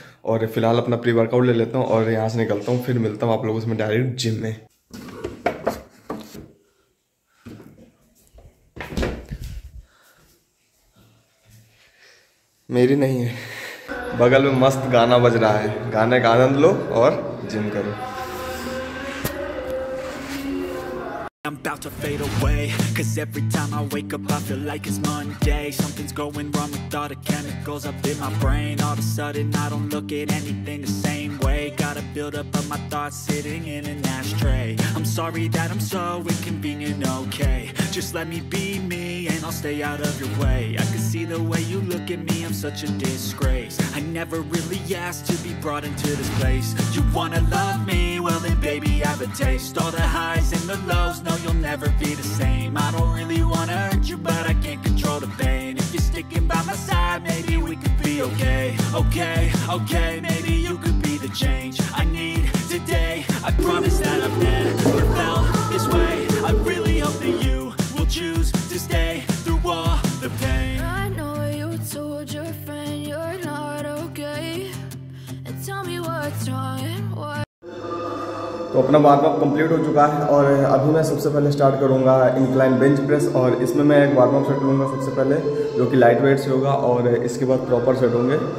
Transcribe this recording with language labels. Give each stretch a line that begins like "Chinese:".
Hindi: और फिलहाल अपना प्री वर्कआउट ले लेता हूँ और यहाँ से निकलता हूँ, फिर मिलता हूँ आप लोगों से मैं डायरेक्ट जिम में। मेरी नहीं है, बगल में मस्त गाना बज रहा है, गाने का आनंद लो और जिम करो।
English: I'm about to fade away, cause every time I wake up I feel like it's Monday. Something's going wrong with all the chemicals up in my brain. All of a sudden I don't look at anything the same way. Gotta build up of my thoughts sitting in an ashtray. I'm sorry that I'm so inconvenient, okay. Just let me be me and I'll stay out of your way. I can see the way you look at me, I'm such a disgrace. I never really asked to be brought into this place. You wanna love me? Well then baby I have a taste. All the highs and the lows, no you'll never be the same. I don't really wanna hurt you, but I can't control the pain. If you're sticking by my side, maybe we could be okay. Okay, okay, maybe you could be the change I need today. I promise that I've never felt this way. I really hope that you will choose to stay through all the pain. I know you told your friend you're not okay, and tell me what's wrong and why.
Hindi: तो अपना warm up complete हो चुका है और अभी मैं सबसे पहले स्टार्ट करूंगा इंक्लाइन बेंच प्रेस। और इसमें मैं एक वार्म अप सेट लूंगा सबसे पहले, जो कि लाइट वेट से होगा, और इसके बाद प्रॉपर सेट होंगे।